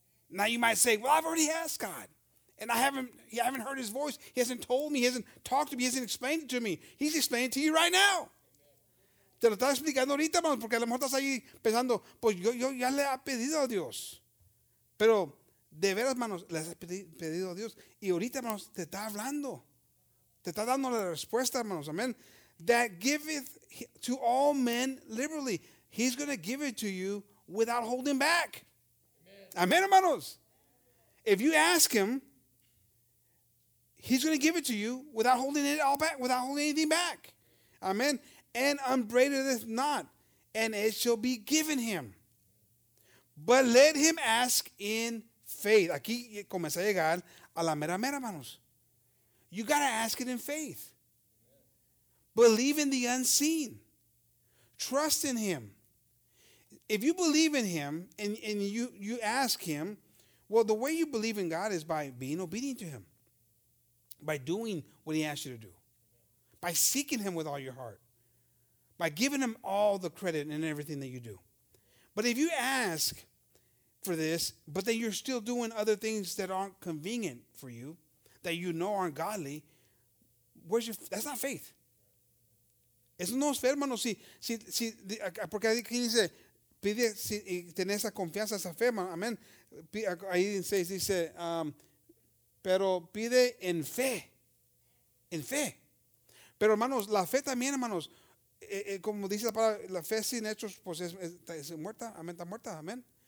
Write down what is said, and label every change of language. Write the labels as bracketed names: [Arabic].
[English] Now you might say, well, I've already asked God, and I haven't heard his voice. He hasn't told me, he hasn't talked to me, he hasn't explained it to me. He's explaining it to you right now. [Spanish] te lo estaba explicando ahorita, hermano, porque a lo mejor estás ahí pensando, pues yo ya le he pedido a Dios. Pero de veras, hermanos, le has pedido a Dios. Y ahorita, hermanos, te está hablando. Te está dando la respuesta, hermanos. Amén. [English] That giveth to all men liberally. He's going to give it to you without holding back. [Spanish] Amén, hermanos. [English] If you ask him, he's going to give it to you without holding it all back, without holding anything back. Amen. And unbraideth not, and it shall be given him. But let him ask in faith. [Spanish] Aquí comienza a llegar a la mera mera, hermanos. [English] You got to ask it in faith. Believe in the unseen. Trust in him. If you believe in him and you ask him, well, the way you believe in God is by being obedient to him, by doing what he asks you to do, by seeking him with all your heart, by giving him all the credit in everything that you do. But if you ask for this, but then you're still doing other things that aren't convenient for you, that you know aren't godly, where's your? That's not faith. [Spanish] Eso no es fe, hermano. Si, porque aquí dice, pide si, y tenés esa confianza, esa fe, hermano. Amén. Ahí dice, pero pide en fe. En fe. Pero, hermanos, la fe también, hermanos, como dice la palabra, la fe sin hechos, pues es muerta. Amén, está muerta. Amén.